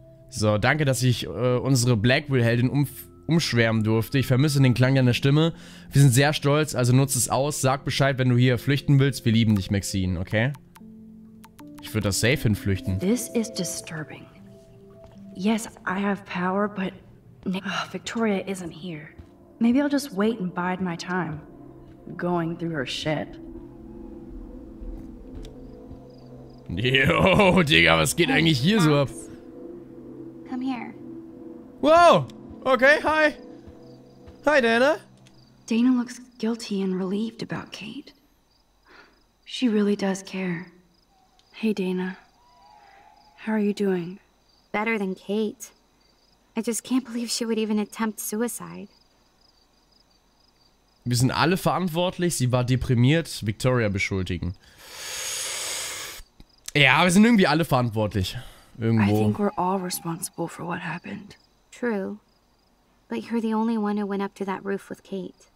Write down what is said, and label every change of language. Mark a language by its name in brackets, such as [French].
[German] So, danke, dass ich unsere Blackwell-Heldin umschwärmen durfte. Ich vermisse den Klang deiner Stimme. Wir sind sehr stolz, also nutze es aus. Sag Bescheid, wenn du hier flüchten willst. Wir lieben dich, Maxine, okay? Ich würde das safe hinflüchten. [English] This is disturbing. Yes, I have power, but Victoria isn't here. Maybe I'll just wait and bide my time. Going through her shit. [German] Yo, Digga, was geht eigentlich hier so ab? [English] Come here. Wow, okay, hi. Hi, Dana. Dana looks guilty and relieved about Kate. She really does care. Hey, Dana. How are you doing? Better than Kate. I just can't believe she would even attempt suicide. [German] Wir sind alle verantwortlich. Sie war deprimiert. Victoria beschuldigen. Ja, wir sind irgendwie alle verantwortlich. Irgendwo. [English] I think we're all responsible for what happened. True. But you're the only one who went up to that roof with Kate.